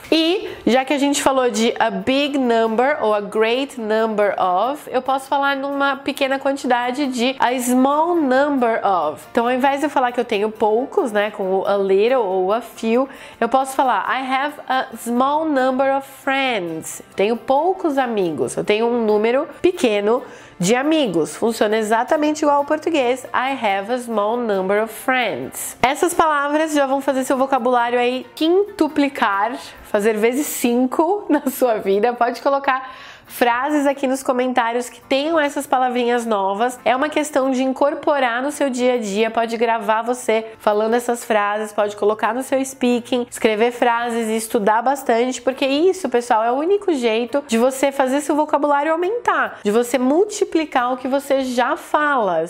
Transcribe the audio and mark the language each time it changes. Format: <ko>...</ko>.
<pt>E, já que a gente falou de a big number ou a great number of, eu posso falar numa pequena quantidade de a small number of. Então, ao invés de eu falar que eu tenho poucos, né, com o a little ou a few, eu posso falar</pt> <en>I have a small number of friends.</en> <pt>Eu tenho poucos amigos. Eu tenho um número pequeno de amigos. Funciona exatamente igual ao português.</pt> <en>I have a small number of friends.</en> <pt>Essas palavras já vão fazer seu vocabulário aí quintuplicar, fazer vezes 5 na sua vida. Pode colocar frases aqui nos comentários que tenham essas palavrinhas novas. É uma questão de incorporar no seu dia a dia. Pode gravar você falando essas frases, pode colocar no seu speaking, escrever frases e estudar bastante, porque isso, pessoal, é o único jeito de você fazer seu vocabulário aumentar, de você multiplicar o que você já fala.</pt>